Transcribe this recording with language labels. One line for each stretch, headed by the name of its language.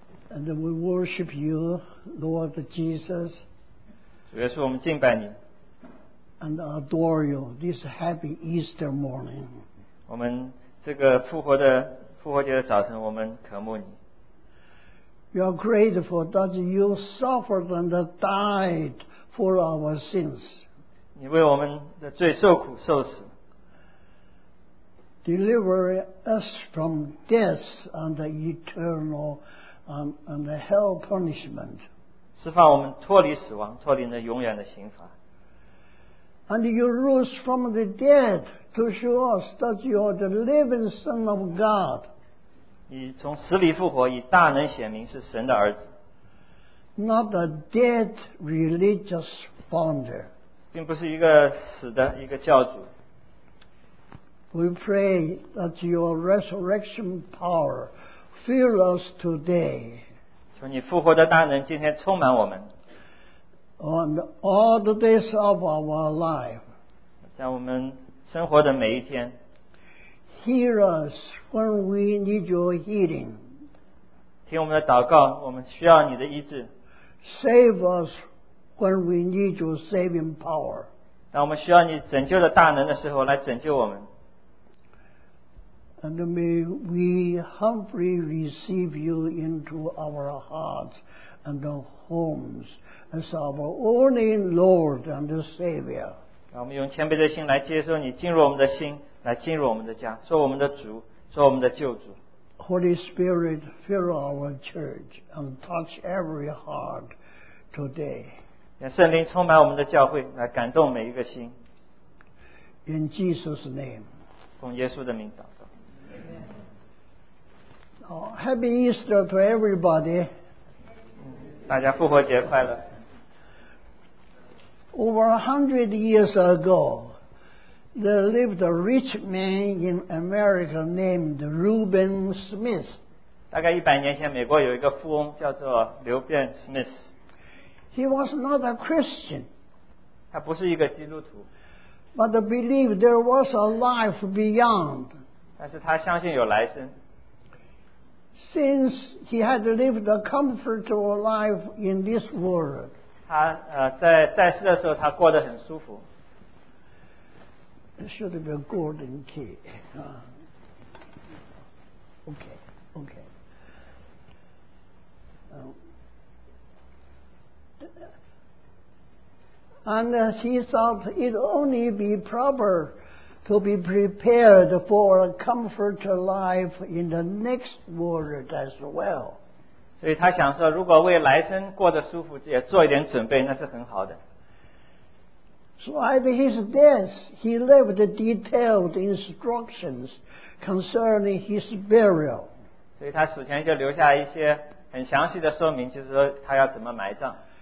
English: And we worship you, Lord Jesus.
Chinese: 主耶稣，我们敬拜你。
English: And adore you this happy Easter morning.
Chinese: 我们这个复活节的早晨，我们渴慕你。
English: You are grateful that you suffered and died for our sins.
Chinese: 你为我们的罪受苦受死。
English: Deliver us from death and eternal and hell punishment.
Chinese: 释放我们脱离死亡，脱离那永远的刑罚。
English: And you rose from the dead to show us that you are the living Son of God.
Chinese: 你从死里复活，以大能显明是神的儿子。
English: Not a dead religious founder.
Chinese: 并不是一个死的一个教主。
English: We pray that your resurrection power fill us today.
Chinese: 求你复活的大能今天充满我们。
English: On all the days of our life,
Chinese: 在我们生活的每一天
English: ，Hear us when we need your healing.
Chinese: 听我们的祷告，我们需要你的医治。
English: Save us when we need your saving power.
Chinese: 当我们需要你拯救的大能的时候，来拯救我们。
English: And may we humbly receive you into our hearts and homes. As our only Lord and Savior.
Chinese: 让我们用谦卑的心来接受你进入我们的心，来进入我们的家，做我们的主，做我们的救主。
English: Holy Spirit, fill our church and touch every heart today.
Chinese: 愿圣灵充满我们的教会，来感动每一个心。
English: In Jesus' name.
Chinese: 奉耶稣的名祷告。
English: Amen. Oh, Happy Easter to everybody.
Chinese: 大家复活节快乐。
English: Over 100 years ago, there lived a rich man in America named Reuben Smith.
Chinese: 大概100年前，美国有一个富翁叫做刘便 Smith.
English: He was not a Christian.
Chinese: 他不是一个基督徒。
English: But believed there was a life beyond.
Chinese: 但是他相信有来生。
English: Since he had lived a comfortable life in this world.
Chinese: 他在世的时候他过得很舒服。
English: Should be a golden key. Okay. And he thought it only be proper to be prepared for a comfortable life in the next world as well.
Chinese: 所以他想说，如果为来生过得舒服，也做一点准备，那是很好的。
English: So at his death, he left detailed instructions concerning his burial.
Chinese: 所以他死前就留下一些很详细的说明，就是说他要怎么埋葬。